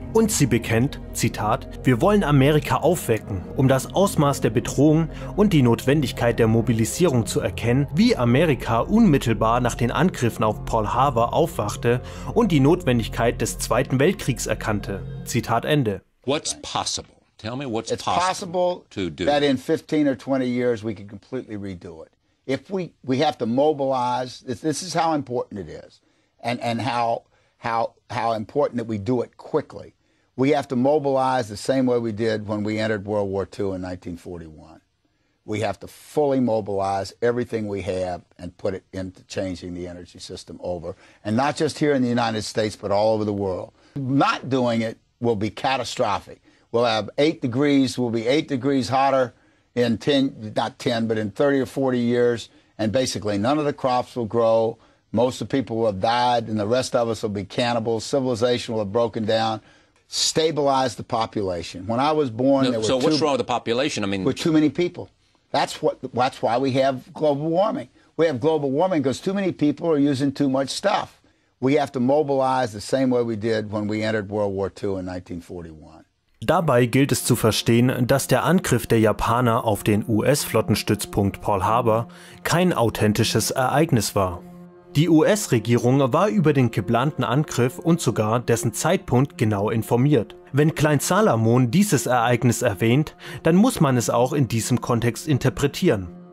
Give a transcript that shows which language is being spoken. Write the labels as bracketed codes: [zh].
[de] Und sie bekennt, Zitat: Wir wollen Amerika aufwecken, um das Ausmaß der Bedrohung und die Notwendigkeit der Mobilisierung zu erkennen, wie Amerika unmittelbar nach den Angriffen auf Pearl Harbor aufwachte und die Notwendigkeit des Zweiten Weltkriegs erkannte. Zitat Ende. [en] What's possible? Tell me what's possible. It's possible to do that in 15 or 20 years we could completely redo it. If we have to mobilize, this is how important it is. And how important that we do it quickly. We have to mobilize the same way we did when we entered World War II in 1941. We have to fully mobilize everything we have and put it into changing the energy system over, and not just here in the United States, but all over the world. Not doing it will be catastrophic. We'll have 8 degrees, we'll be 8 degrees hotter in 30 or 40 years, and basically none of the crops will grow. Most of the people will have died, and the rest of us will be cannibals. Civilization will have broken down. Stabilize the population. When I was born, what's wrong with the population? I mean, with too many people. That's why we have global warming. We have global warming because too many people are using too much stuff. We have to mobilize the same way we did when we entered World War II in 1941. [de] Dabei gilt es zu verstehen, dass der Angriff der Japaner auf den US-Flottenstützpunkt Pearl Harbor kein authentisches Ereignis war. Die US-Regierung war über den geplanten Angriff und sogar dessen Zeitpunkt genau informiert. Wenn Klein Salamon dieses Ereignis erwähnt, dann muss man es auch in diesem Kontext interpretieren.